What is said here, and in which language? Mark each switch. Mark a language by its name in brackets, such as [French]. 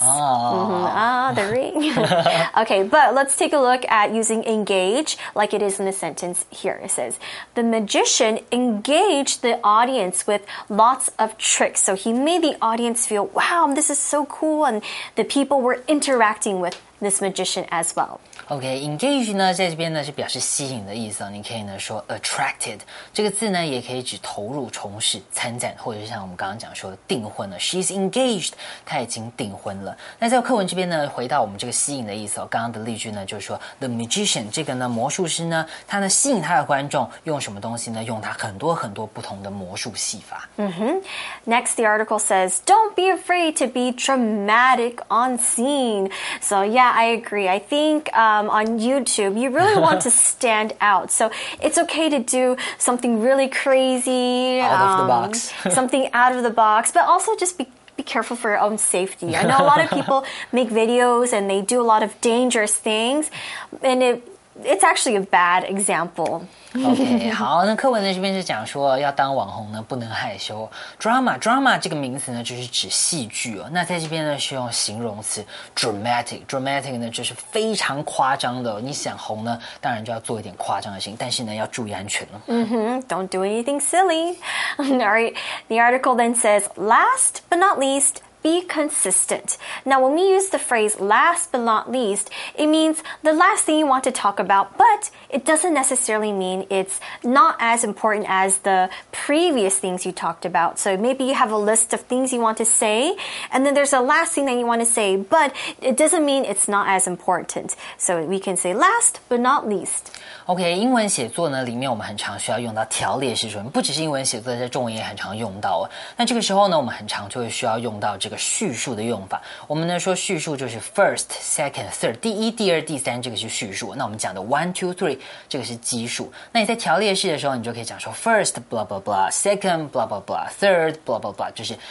[English] The ring. Okay, but let's take a look at using engage like it is in the sentence here. It says, the magician engaged the audience with lots of tricks. So he made the audience feel, wow, this is so cool. And the people were interacting with this magician as well. [Chinese] Okay, engage 呢在这边呢是表示吸引的意思、哦、你可以呢说 attracted 这个字呢也可以指投入从事参展或者像我们刚刚讲说订婚了 [English] She's engaged [Chinese] 她已经订婚了那在课文这边呢回到我们这个吸引的意思、哦、刚刚的例句呢就是说 The magician 这个呢魔术师呢他呢吸引他的观众用什么东西呢用他很多很多不同的魔术戏法、 [English] Next the article says Don't be afraid to be dramatic on scene So yeah I agree I thinkon YouTube, you really want to stand out. So it's okay to do something really crazy. Out of the box. something out of the box. But also just be careful for your own safety. I know a lot of people make videos and they do a lot of dangerous things. And it's actually a bad example. [Chinese] OK, 好那课文在这边就讲说要当网红呢不能害羞。 Drama 这个名词呢就是指戏剧哦。那在这边呢是用形容词 dramatic。 Dramatic 呢就是非常夸张的、哦。你想红呢当然就要做一点夸张的事情但是呢要注意安全了。 [English] Don't do anything silly. Alright, the article then says, last but not least,Be consistent. Now, when we use the phrase last but not least, it means the last thing you want to talk about, but it doesn't necessarily mean it's not as important as the previous things you talked about. So maybe you have a list of things you want to say, and then there's a last thing that you want to say, but it doesn't mean it's not as important. So we can say last but not least. [Chinese] OK, 英文写作呢里面我们很常需要用到条列式说明不只是英文写作在中文也很常用到、哦、那这个时候呢我们很常就会需要用到这个叙述的用法我们呢说叙述就是 first, second, third 第一、第二、第三这个是叙述那我们讲的 one, two, three 这个是基数那你在条列式的时候你就可以讲说 [English] first, blah, blah, blah [Chinese] second, blah, blah, blah third, blah, blah, blah 就是